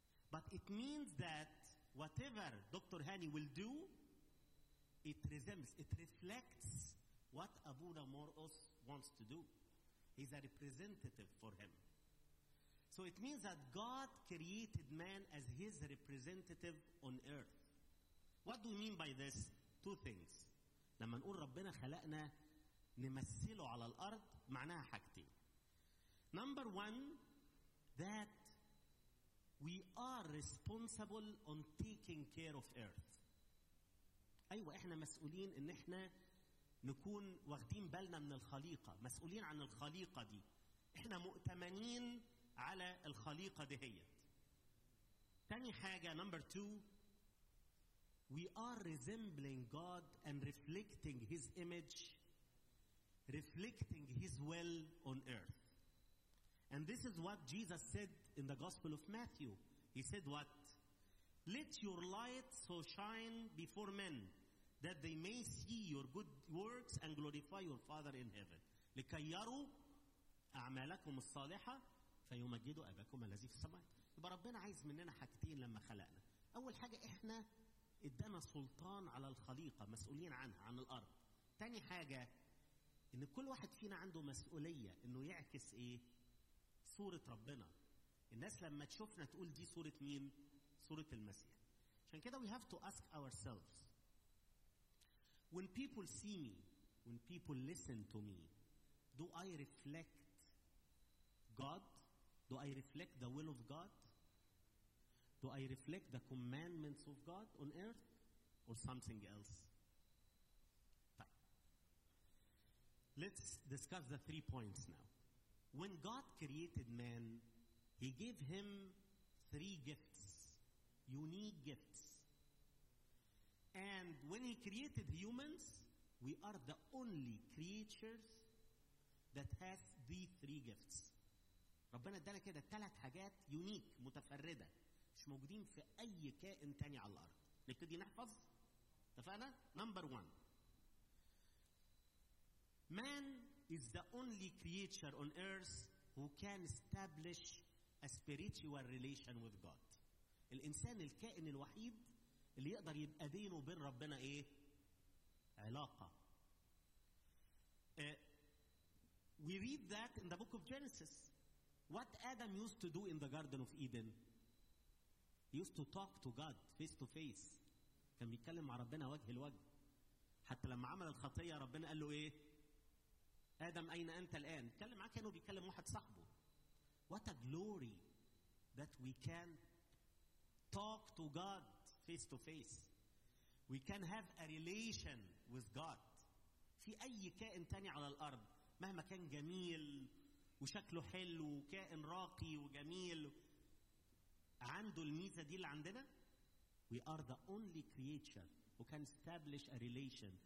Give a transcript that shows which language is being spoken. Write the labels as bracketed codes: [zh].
[en] But it means that whatever Dr. Hani will do, it resembles, it reflects what Abuna Moros wants to do. He's a representative for him. So it means that God created man as his representative on earth. What do we mean by this? Two things. [ar] لما نقول ربنا خلقنا نمثله على الأرض معناها حاجتين. [en] Number one, that we are responsible on taking care of earth. [ar] أيوة إحنا مسؤولين إن إحنا نكون واخدين بالنا من الخليقة. مسؤولين عن الخليقة دي. إحنا مؤتمنين على الخليقة دي هي. تاني حاجة, [en] number two, we are resembling God and reflecting His image, reflecting His will on earth. And this is what Jesus said in the Gospel of Matthew. He said what? Let your light so shine before men that they may see your good works and glorify your Father in heaven. [ar] لكي يروا أعمالكم الصالحة فيمجدوا أباكم الذي في السماء. يبقى ربنا عايز مننا حاجتين لما خلقنا. أول حاجة إحنا إدانا سلطان على الخليقة, مسؤولين عنها, عن الأرض. تاني حاجة إن كل واحد فينا عنده مسؤولية إنه يعكس إيه؟ صورة ربنا. الناس لما تشوفنا تقول دي صورة مين؟ صورة المسيح. عشان كده [en] we have to ask ourselves, when people see me, when people listen to me, do I reflect God? Do I reflect the will of God? Do I reflect the commandments of God on earth or something else? Let's discuss the three points now. When God created man, He gave him three gifts, unique gifts. And when He created humans, we are the only creatures that has these three gifts. [ar] ربنا ادانا كده ثلاث حاجات يونيك, متفردة, مش موجودين في أي كائن تاني على الأرض. نبتدي نحفظ, اتفقنا؟ [en] Number one, man is the only creature on earth who can establish a spiritual relation with God. [ar] الإنسان الكائن الوحيد اللي يقدر يبقى بينه وبين ربنا إيه؟ علاقة. [en] We read that in the book of Genesis. What Adam used to do in the Garden of Eden? He used to talk to God face to face. [ar] كان بيتكلم مع ربنا وجه لوجه. حتى لما عمل الخطية ربنا قال له إيه؟ آدم أين أنت الآن؟ تكلم معاك كأنه بيتكلم واحد صاحبه. [en] What a glory that we can talk to God face to face. We can have a relation with God. [ar] في أي كائن تاني على الأرض, مهما كان جميل وشكله حلو وكائن راقي وجميل, عنده الميزة دي اللي عندنا. [en] We are the only creature who can establish a relation.